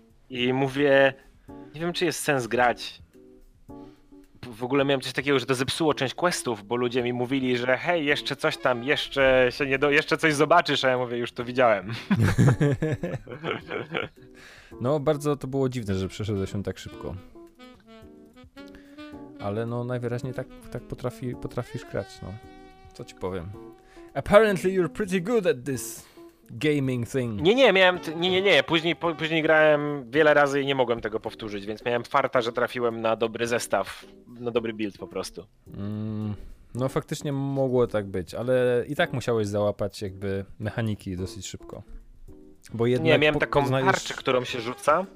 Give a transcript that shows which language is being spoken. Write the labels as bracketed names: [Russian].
[Polish] I mówię, nie wiem, czy jest sens grać. W ogóle miałem coś takiego, że to zepsuło część questów, bo ludzie mi mówili, że hej, jeszcze coś tam, jeszcze się nie do... jeszcze coś zobaczysz, a ja mówię, już to widziałem. No, bardzo to było dziwne, że przeszedłeś się tak szybko. Ale no, najwyraźniej tak potrafisz grać, no. Co ci powiem? [English] Apparently you're pretty good at this gaming thing. [Polish] Nie. Później grałem wiele razy i nie mogłem tego powtórzyć, więc miałem farta, że trafiłem na dobry zestaw, na dobry build po prostu. No faktycznie mogło tak być, ale i tak musiałeś załapać jakby mechaniki dosyć szybko. Bo jednak nie, miałem taką tarczę, którą się rzuca.